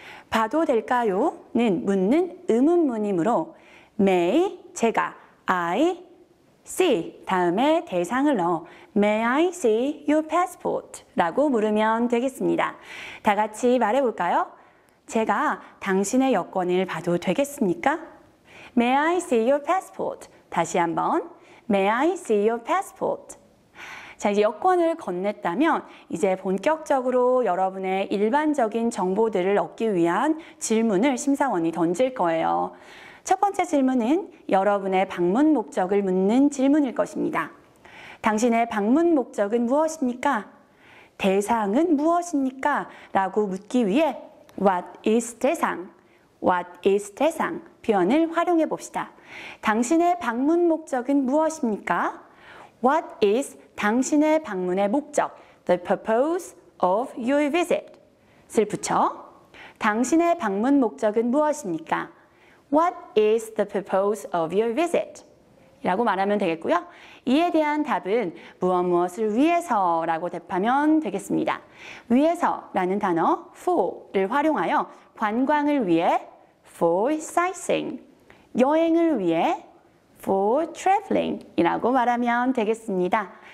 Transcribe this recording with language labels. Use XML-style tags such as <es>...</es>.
<ko>봐도 될까요?는 묻는 의문문이므로 may, 제가, I, see 다음에 대상을 넣어</ko> <en>May I see your passport?</en> <ko>라고 물으면 되겠습니다. 다 같이 말해볼까요? 제가 당신의 여권을 봐도 되겠습니까?</ko> <en>May I see your passport?</en> <ko>다시 한번</ko> <en>May I see your passport?</en> <ko>자, 이제 여권을 건넸다면 이제 본격적으로 여러분의 일반적인 정보들을 얻기 위한 질문을 심사원이 던질 거예요. 첫 번째 질문은 여러분의 방문 목적을 묻는 질문일 것입니다. 당신의 방문 목적은 무엇입니까? 대상은 무엇입니까? 라고 묻기 위해</ko> <en>What is</en> <ko>대상?</ko> <en>What is</en> <ko>대상? 표현을 활용해 봅시다. 당신의 방문 목적은 무엇입니까?</ko> <en>What is</en> <ko>당신의 방문의 목적?</ko> <en>The purpose of your visit</en> <ko>을 붙여 당신의 방문 목적은 무엇입니까?</ko> <en>What is the purpose of your visit?</en> <ko>라고 말하면 되겠고요. 이에 대한 답은 무엇 무엇을 위해서 라고 답하면 되겠습니다. 위해서 라는 단어 for를 활용하여 관광을 위해</ko> <en>for sightseeing,</en> <ko>여행을 위해</ko> <en>for traveling</en> <ko>이라고 말하면 되겠습니다.</ko>